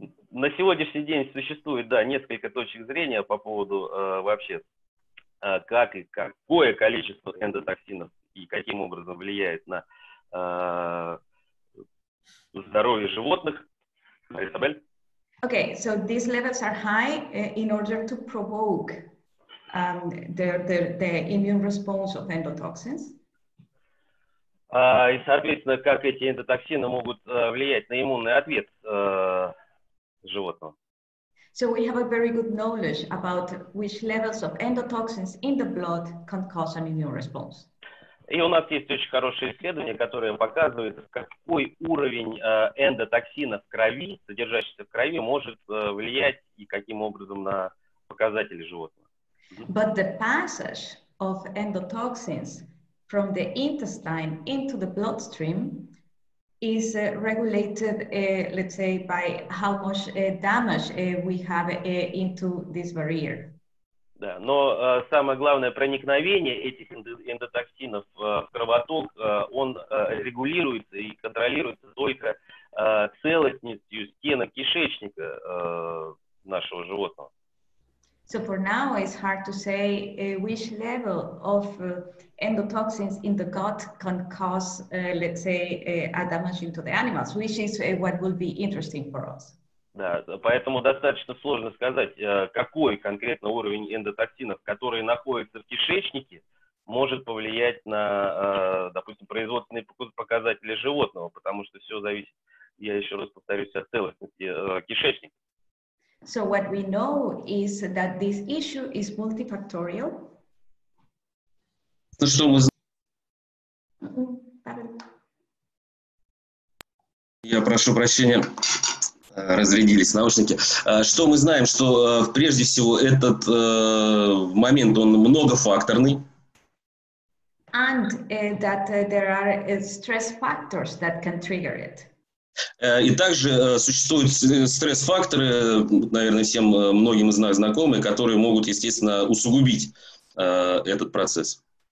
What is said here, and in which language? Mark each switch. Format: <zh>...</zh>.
<ru>На сегодняшний день существует, да, несколько точек зрения по поводу вообще, как и какое количество эндотоксинов и каким образом влияет на здоровье животных. Изабель?</ru> <en>Okay, so these levels are high in order to provoke the immune response of endotoxins.</en> <ru>И, соответственно, как эти эндотоксины могут влиять на иммунный ответ животного.</ru> <en>So we have a very good knowledge about which levels of endotoxins in the blood can cause an immune response.</en> <ru>И у нас есть очень хорошее исследование, которое показывает, какой уровень эндотоксина в крови, содержащийся в крови, может влиять и каким образом на показатели животного.</ru> <en>But the passage of endotoxins from the intestine into the bloodstream is regulated, let's say, by how much damage we have into this barrier.</en> <ru>Да, но самое главное проникновение этих эндотоксинов в кровоток, он регулируется и контролируется только целостностью стенок кишечника нашего животного.</ru> <en>So for now, it's hard to say which level of endotoxins in the gut can cause, let's say, a damage into the animals, which is what will be interesting for us.</en> <ru>Да, поэтому достаточно сложно сказать, какой конкретно уровень эндотоксинов, которые находятся в кишечнике, может повлиять на, допустим, производственные показатели животного, потому что все зависит, я еще раз повторюсь, от целостности кишечника.</ru> <en>So what we know is that this issue is multifactorial.</en> <ru>Ну что мы знаем? Я прошу прощения. Разрядились наушники. Что мы знаем, что прежде всего этот момент, он многофакторный.</ru> <en>And that there are stress factors that can trigger it.</en> <ru>И также существуют стресс-факторы, наверное, всем многим из нас знакомы, которые могут, естественно, усугубить этот процесс.</ru>